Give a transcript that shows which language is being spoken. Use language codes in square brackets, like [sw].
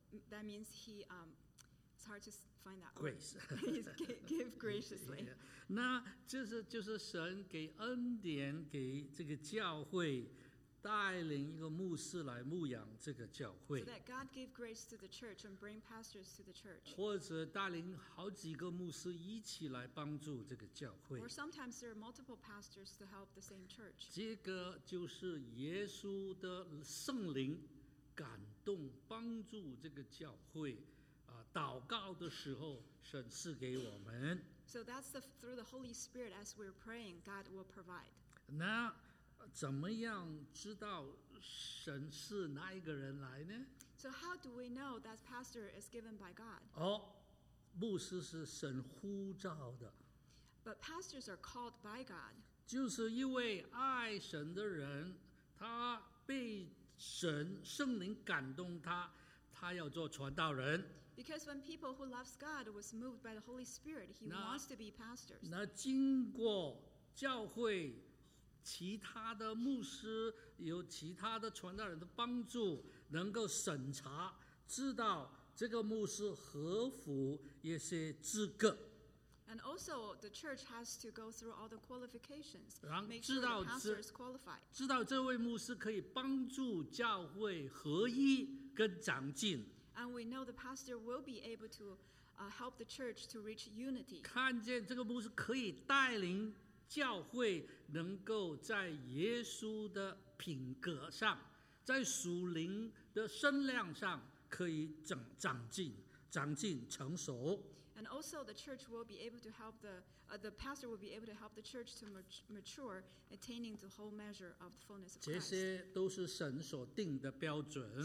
[en] That means he it's hard to find that grace. give graciously. [zh] 那就是神给恩典给这个教会，带领一个牧师来牧养这个教会。 [en] So that God gave grace to the church and bring pastors to the church. [zh] 或者带领好几个牧师一起来帮助这个教会。 [en] Or sometimes there are multiple pastors to help the same church. [zh] 这个就是耶稣的圣灵感动帮助这个教会啊，祷告的时候神赐给我们。 [en] So that's the, through the Holy Spirit as we're praying, God will provide. [zh] 那怎么样知道神是哪一个人来呢？ [en] So how do we know that pastor is given by God? [zh] 哦，牧师是神呼召的。 [en] But pastors are called by God. [zh] 就是一位爱神的人，他被神圣灵感动他，他要做传道人。 [en] Because when people who loves God was moved by the Holy Spirit, he wants to be pastors. [zh] 那经过教会其他的牧师有其他的传道人的帮助，能够审查知道这个牧师合乎一些资格。 [en] And also, the church has to go through all the qualifications, [zh] 然后知道 [en] make sure the pastor is qualified. [zh] 知道这位牧师可以帮助教会合一跟长进。 [en] And we know the pastor will be able to help the church to reach unity. [zh] 看见这个牧师可以带领教会能够在耶稣的品格上，在属灵的身量上可以长进成熟。 [en] And also the church will be able to help the pastor will be able to help the church to mature, attaining the whole measure of the fullness of Christ. [zh] 这些都是神所定的标准。